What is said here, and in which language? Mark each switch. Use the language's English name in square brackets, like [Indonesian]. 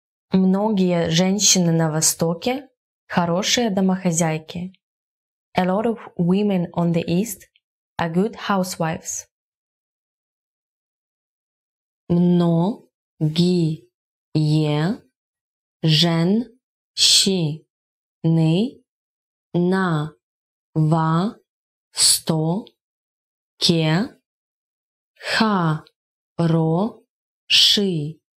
[Russian] Многие женщины на Востоке хорошие домохозяйки. [English] A lot of women on the East are good housewives. [Russian] Многие женщины на Востоке хорошие домохозяйки.